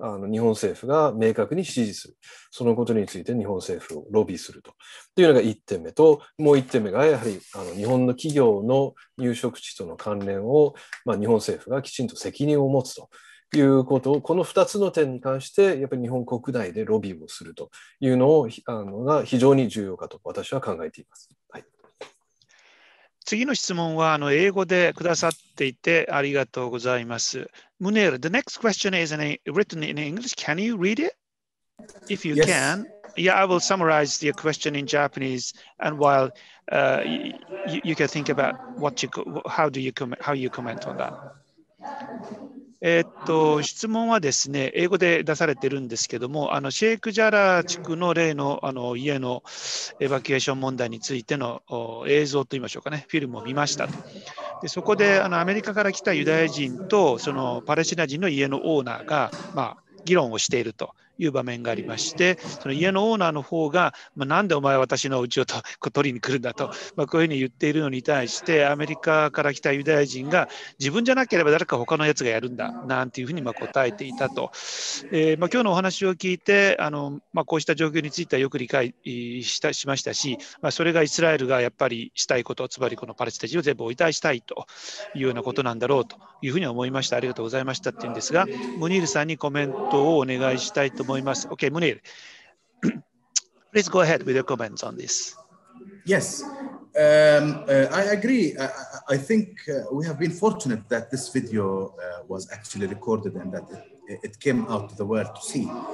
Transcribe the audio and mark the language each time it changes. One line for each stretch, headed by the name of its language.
Japanese: 日本政府が明確に支持する、そのことについて日本政府をロビーするというのが1点目と、もう1点目がやはり日本の企業の入植地との関連を、まあ、日本政府がきちんと責任を持つということを、この2つの点に関してやっぱり日本国内でロビーをするというのをが非常に重要かと私は考えています。はい、次の質問は英語でくださっていてありがとうございます。
English: ムネール、The next question is written in English. Can you read it? If you can. Yeah, I will summarize your question in Japanese, and while you can think about how you comment on that.
Japanese: 質問はですね、英語で出されてるんですけども、シェイクジャラー地区の例 の, 家のエバキュエーション問題についての映像といいましょうかね、フィルムを見ましたと。でそこでアメリカから来たユダヤ人とそのパレスチナ人の家のオーナーが、まあ、議論をしているという場面がありまして、その家のオーナーの方が、まあ、なんでお前私の家を取りに来るんだと、まあ、こういうふうに言っているのに対して、アメリカから来たユダヤ人が自分じゃなければ誰か他のやつがやるんだなんていうふうに、まあ、答えていたと。まあ、今日のお話を聞いて、まあ、こうした状況についてはよく理解しましたし、まあ、それがイスラエルがやっぱりしたいこと、つまりこのパレスチナ人を全部追い返したいというようなことなんだろうというふうに思いました。ありがとうございましたっていうんですが、ムニールさんにコメントをお願いしたいと。
English: Okay, Munir, please go ahead with your comments on this. Yes, I agree. I think we have been fortunate that this video was actually recorded and that it came out to the world to see.